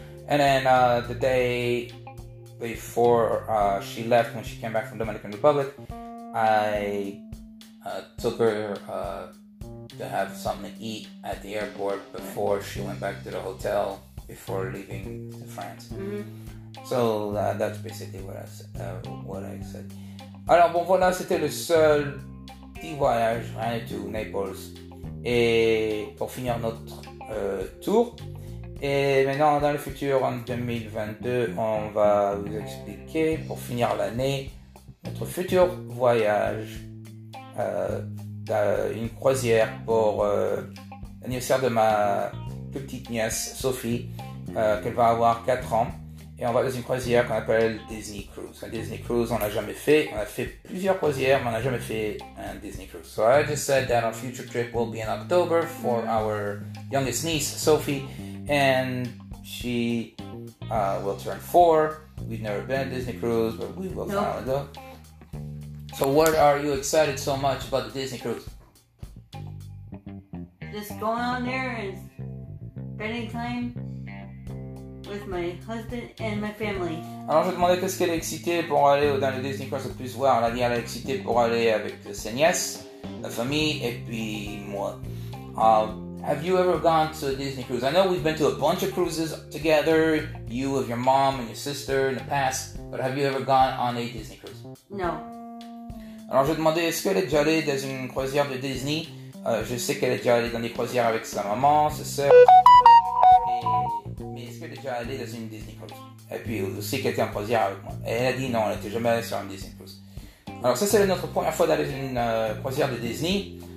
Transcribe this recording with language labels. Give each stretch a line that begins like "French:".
English: And then the day before she left, when she came back from Dominican Republic, I took her to have something to eat at the airport before she went back to the hotel before leaving to France. Mm-hmm. So that's basically what I said.
French: Alors bon, voilà, c'était le seul petit voyage, rien du tout, Naples. Et pour finir notre tour, et maintenant dans le futur, en 2022, on va vous expliquer pour finir l'année notre futur voyage. Une croisière pour l'anniversaire de ma plus petite nièce Sophie qu'elle va avoir 4 ans, et on va dans une croisière qu'on appelle Disney Cruise. Un Disney Cruise, on n'a jamais fait. On a fait plusieurs croisières, mais on n'a jamais fait un Disney Cruise.
English: So I just said that our future trip will be in October for our youngest niece Sophie, and she will turn 4. We've never been on Disney Cruise, but we will now go. So what are you excited so much about the Disney Cruise? Just going on there and spending time with my husband and my family.
French: Alors je demandais qu'est-ce qu'elle est excitée pour aller dans le Disney Cruise et puis voir. Elle a dit qu'elle est excitée pour aller avec ses nièces, la famille et puis moi.
English: Have you ever gone to a Disney Cruise? I know we've been to a bunch of cruises together, you with your mom and your sister in the past, but have you ever gone on a Disney Cruise? No.
French: Alors je demandais, est-ce qu'elle est déjà allée dans une croisière de Disney? Je sais qu'elle est déjà allée dans des croisières avec sa maman, sa sœur. Mais est-ce qu'elle est déjà allée dans une Disney Cruise? Et puis aussi qu'elle était en croisière avec moi. Et elle a dit non, elle n'était jamais allée sur une Disney Cruise. Alors ça, c'est notre première fois d'aller dans une croisière de Disney.